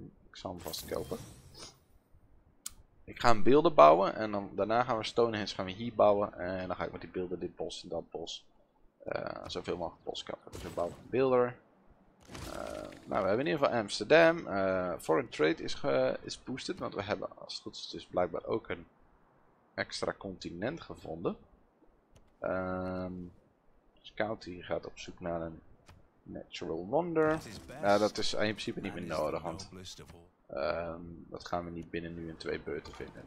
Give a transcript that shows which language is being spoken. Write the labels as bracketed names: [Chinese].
[Dutch] Ik zal hem vast kopen. Ik ga een beelden bouwen. En dan, daarna gaan we Stonehenge gaan we hier bouwen. En dan ga ik met die beelden dit bos en dat bos. Zoveel mogelijk bos kappen. Dus we bouwen een beelder. Nou, we hebben in ieder geval Amsterdam. [English] Foreign trade is boosted. [Dutch] Want we hebben, als het goed is, dus blijkbaar ook een extra continent gevonden. Scout die gaat op zoek naar een natural wonder. Nou, dat is in principe niet meer nodig. Want dat gaan we niet binnen nu in twee beurten vinden.